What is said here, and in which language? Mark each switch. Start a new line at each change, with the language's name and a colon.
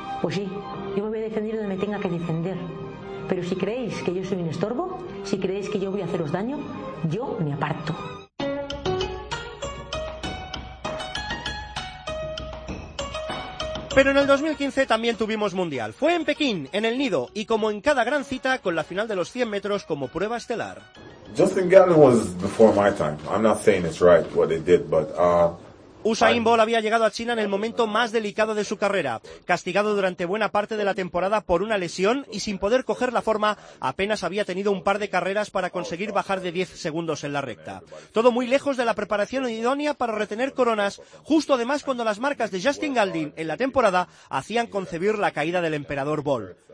Spanish: Pues sí, yo me voy a defender donde me tenga que defender. Pero si creéis que yo soy un estorbo, si creéis que yo voy a haceros daño, yo me aparto. Pero en el 2015 también tuvimos mundial. Fue en Pekín, en el nido, y como en cada gran cita, con la final de los 100 metros como prueba estelar.
English: Justin Gatlin was before my time. I'm not saying it's right what they did, but
Spanish: Usain Bolt había llegado a China en el momento más delicado de su carrera, castigado durante buena parte de la temporada por una lesión y sin poder coger la forma, apenas había tenido un par de carreras para conseguir bajar de 10 segundos en la recta. Todo muy lejos de la preparación idónea para retener coronas, justo además cuando las marcas de Justin Galdin en la temporada hacían concebir la caída del emperador Bolt.